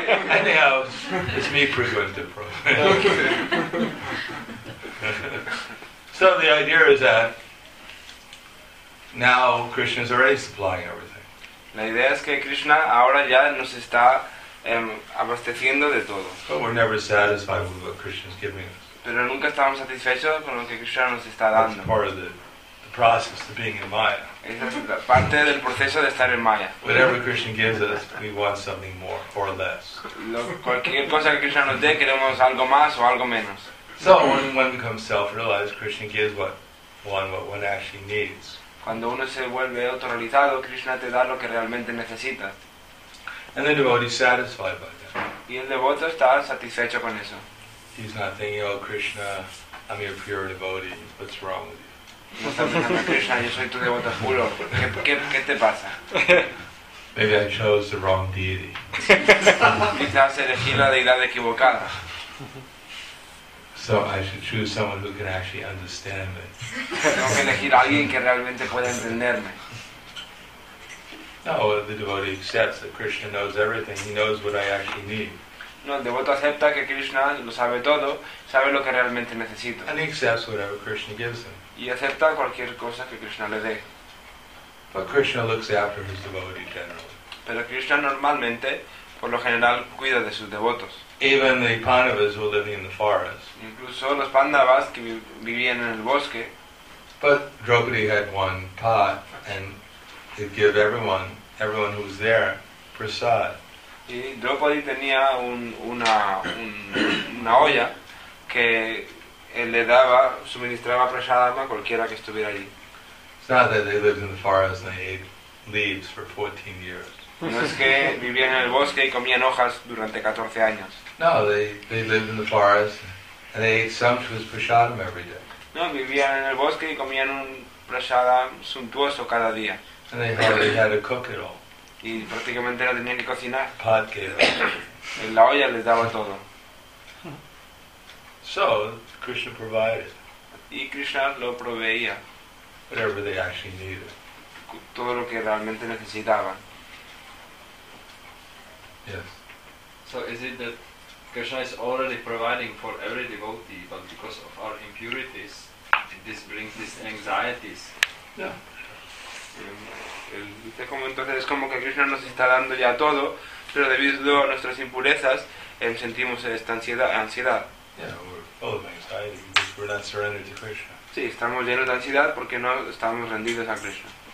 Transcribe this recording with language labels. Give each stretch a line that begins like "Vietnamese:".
English: Anyhow, it's me frequent the problem. So the idea is that Now Krishna's already supplying everything.
Spanish: La idea es que Krishna ahora ya nos está abasteciendo de todo.
English: But we're never satisfied with what Krishna's giving us.
Spanish: Pero nunca estamos satisfechos con lo que Krishna nos está dando.
English: That's part of the process of being in Maya.
Spanish: Esa es la parte del proceso de estar en Maya.
English: Whatever Krishna gives us, we want something more or less.
Spanish: Cualquier cosa que Krishna nos dé, queremos algo más o algo menos.
English: So when one becomes self-realized, Krishna gives what one actually needs.
Spanish: Cuando uno se vuelve autorrealizado, Krishna te da lo que realmente necesitas.
English: And the devotee is satisfied by that.
Spanish: Y el devoto está satisfecho con eso.
English: He's not thinking, oh Krishna, I'm your pure devotee, what's wrong with you?
Spanish: No está pensando, Krishna, yo soy tu devoto puro, ¿qué te pasa?
English: Maybe I chose the wrong deity.
Spanish: Quizás elegí la deidad equivocada.
English: So I should choose someone who can actually understand me.
Spanish: Tengo que elegir a alguien que realmente pueda entenderme.
English: No, the devotee accepts that Krishna knows everything. He knows what I actually need.
Spanish: No, el devoto acepta que Krishna lo sabe todo, sabe lo que realmente necesito.
English: And he accepts whatever Krishna gives him.
Spanish: Y acepta cualquier cosa que Krishna le dé.
English: But Krishna looks after his devotee generally.
Spanish: Pero Krishna normalmente, por lo general, cuida de sus devotos.
English: Even the Pandavas were living in the forest.
Spanish: Incluso los Pandavas que vivían en el bosque.
English: But Draupadi had one pot and he'd give everyone who was there prasad.
Spanish: Y Draupadi tenía una olla que él le daba, suministraba prasad a cualquiera que estuviera allí.
English: It's not that they lived in the forest and they ate leaves for 14 years.
Spanish: No es que vivían en el bosque y comían hojas durante 14 años.
English: No, they lived in the forest and they ate sumptuous prasadam every day.
Spanish: No, vivían en el bosque y comían un prasadam suntuoso cada día.
English: And they hardly had to cook it all.
Spanish: Y prácticamente no tenían que cocinar.
English: Pot gave
Spanish: en la olla les daba todo.
English: So, Krishna provided.
Spanish: Y Krishna lo proveía.
English: Whatever they actually needed.
Spanish: Todo lo que realmente necesitaban.
English: Yes. So is it that Krishna is already providing for every devotee, but because of our impurities, this brings these anxieties? Yeah.
Spanish: Dice como entonces es como que Krishna nos está dando ya todo, pero debido a nuestras impurezas, sentimos esta ansiedad.
English: Yeah, we're full of anxiety because we're not surrendered to Krishna.
Spanish: Sí, estamos llenos de ansiedad porque no estamos rendidos a Krishna.